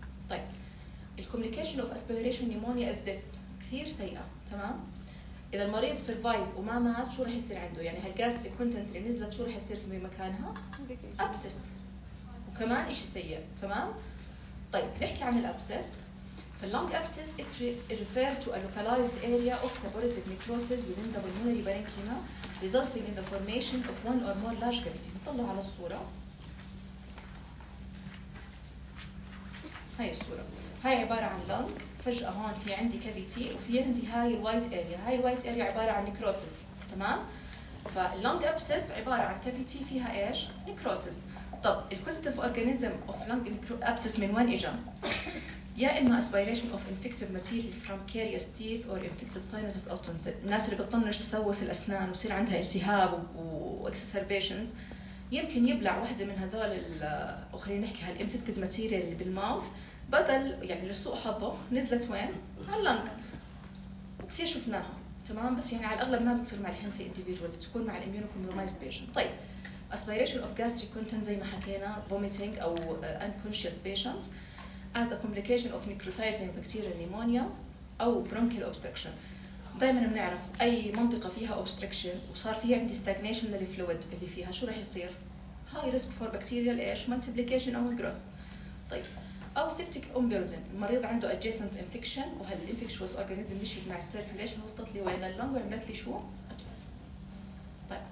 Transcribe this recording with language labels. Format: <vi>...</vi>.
<ar>طيب الكوميونيكيشن اوف اسبيريشن نيمونيا از ديث، كثير سيئه، تمام. اذا المريض سيرفايف وما مات شو رح يصير عنده؟ يعني هالجاستريك كونتنت اللي نزلت شو رح يصير في مكانها؟ ابسس، وكمان شيء سيء، تمام. طيب نحكي عن الابسس.</ar> <en>The lung abscess, it refers to a localized area of supportive necrosis within the pulmonary parenchyma, resulting in the formation of one or more large cavities.</en> <ar>نطلع على الصورة. هاي الصورة. هاي عبارة عن lung. فجأة هون في عندي cavity وفي عندي هاي white area. هاي white area عبارة عن necrosis. تمام؟ فlung abscess عبارة عن cavity فيها إيش؟ necrosis.</ar> <en>طب الكوستيف organism of lung abscess</en> <ar>من وين إجا؟ يا إما</ar> <en>aspiration of infected material from carious teeth or infected sinuses or tonsils.</en> <ar>الناس اللي بتطنش تسوس الأسنان وصير عندها التهاب واكسسربيشنز يمكن يبلع واحدة من هذول الأخرين نحكي هالinfected material اللي بالماوث بدل يعني لسوء حظه نزلت وين؟ هاللنك وكثير شفناها تمام بس يعني على الأغلب ما بتصير مع الهنثي individual بتكون مع الimmunocompromised patient.</ar> <en>طيب aspiration of gastric content</en> <ar>زي ما حكينا</ar> <en>vomiting أو unconscious patients as a complication of necrotizing bacterial pneumonia أو bronchial obstruction.</en> <ar>دائما بنعرف أي منطقة فيها obstruction وصار فيها عندي stagnation للفلويد اللي فيها شو راح يصير؟ high risk for bacterial ايش؟ multiplication أو growth. طيب أو septic embolism المريض عنده adjacent infection وهذا infectious organism مشيت مع circulation وصلت لي وين اللنج وعملت لي شو؟ abscess.</ar>